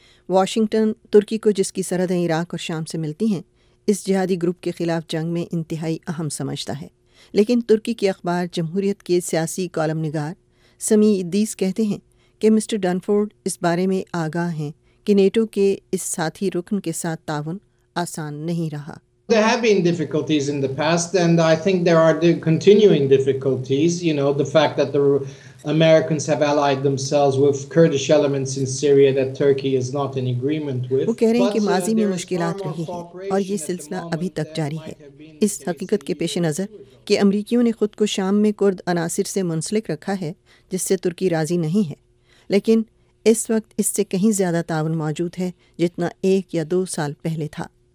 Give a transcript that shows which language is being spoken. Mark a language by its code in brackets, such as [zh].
[ur] Washington ترکی کو, جس کی سرحدیں عراق اور شام سے ملتی ہیں, اس جہادی گروپ کے خلاف جنگ میں انتہائی اہم سمجھتا ہے. لیکن ترکی کے اخبار جمہوریت کے سیاسی کالم نگار سمی ادیس کہتے ہیں کہ مسٹر ڈینفرڈ اس بارے میں آگاہ ہیں کہ نیٹو کے اس ساتھی رکن کے ساتھ تعاون آسان نہیں رہا. [en] There have been difficulties in the past, and I think there are continuing difficulties. You know, the fact that the Americans have allied themselves with Kurdish elements in Syria that Turkey is not in agreement with. [ur] وہ کہہ رہے ہیں کہ ماضی میں مشکلات رہی ہیں اور یہ سلسلہ ابھی تک جاری ہے. اس حقیقت کے پیش نظر کہ امریکیوں نے خود کو شام میں کرد عناصر سے منسلک رکھا ہے, جس سے ترکی راضی نہیں ہے, لیکن اس وقت اس سے کہیں زیادہ تعاون موجود ہے جتنا 1 یا 2 سال پہلے تھا.